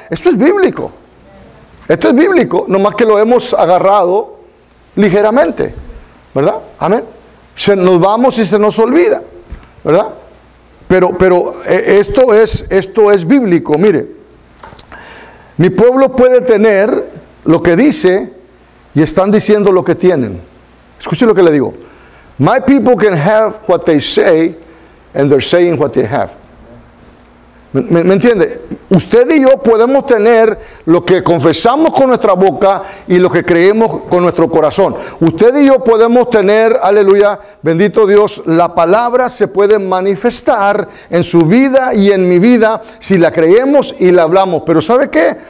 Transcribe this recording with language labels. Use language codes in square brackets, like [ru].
[es] Esto es bíblico. Esto es bíblico. Nomás que lo hemos agarrado ligeramente, ¿verdad? Amén. Se nos vamos y se nos olvida, ¿verdad? Pero esto es bíblico. Mire, mi pueblo puede tener lo que dice y están diciendo lo que tienen. Escuche lo que le digo. [en] My people can have what they say and they're saying what they have. [es] ¿Me entiende? Usted y yo podemos tener lo que confesamos con nuestra boca y lo que creemos con nuestro corazón. Usted y yo podemos tener, aleluya, bendito Dios, la palabra se puede manifestar en su vida y en mi vida si la creemos y la hablamos. Pero ¿sabe qué?